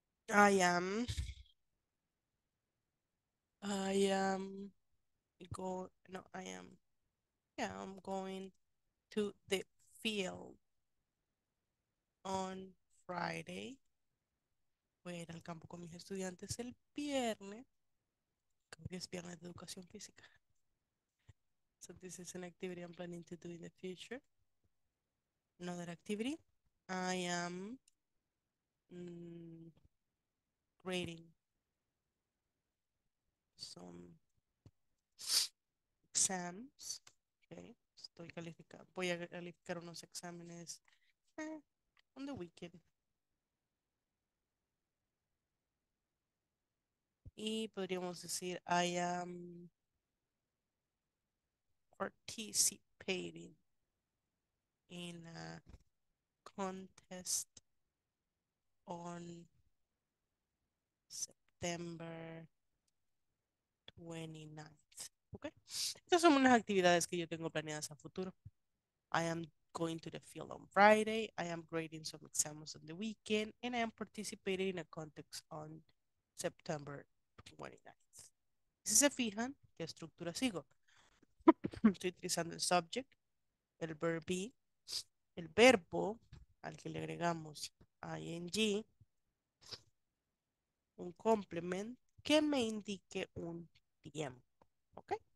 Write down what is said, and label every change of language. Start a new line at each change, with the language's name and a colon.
English: I'm going to the field on Friday.
Spanish: Voy a ir al campo con mis estudiantes el viernes. Creo que es viernes de educación física.
English: So this is an activity I'm planning to do in the future. Another activity. I am grading some exams. Okay.
Spanish: Estoy calificando. Voy a calificar unos exámenes
English: on the weekend.
Spanish: Y podríamos decir
English: I am participating in a contest on September 29th.
Spanish: Okay. Estas son unas actividades que yo tengo planeadas a futuro.
English: I am going to the field on Friday. I am grading some exams on the weekend. And I am participating in a contest on September 29th.
Spanish: Si se fijan, ¿qué estructura sigo? Estoy utilizando el subject, el verb be, el verbo al que le agregamos ing, un complement que me indique un tiempo, ¿ok?